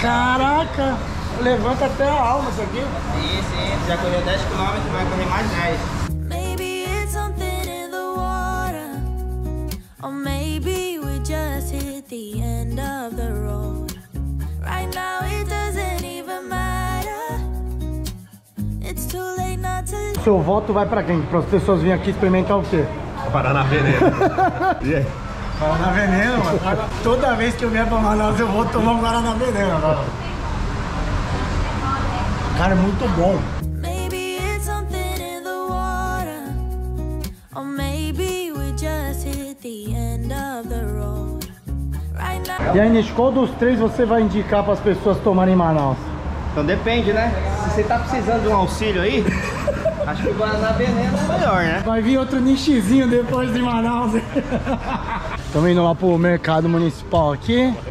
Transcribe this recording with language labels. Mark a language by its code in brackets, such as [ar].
[pt] Caraca, levanta até a alma isso aqui. Sim, sim. Já correu 10 km, vai correr mais 10. [en] Maybe it's something in the water. Or maybe we just hit the end of the road. Right now it doesn't even matter. It's too late not to. [pt] Seu voto vai pra quem? Pra as pessoas virem aqui experimentar o quê? Guaraná Veneno. E aí? Guaraná Veneno, mano. Toda vez que eu vier pra Manaus, eu vou tomar um Guaraná Veneno, mano. Cara, é muito bom. [en] Maybe it's something in the water. Or maybe we just hit the end of the road. Right now. [pt] E aí, Nish, qual dos três você vai indicar pras pessoas tomarem em Manaus? Então depende, né? Se você tá precisando de um auxílio aí. Acho que o Guaraná Veneno é melhor, né? Vai vir outro nichezinho depois de Manaus. Estamos indo lá pro mercado municipal aqui.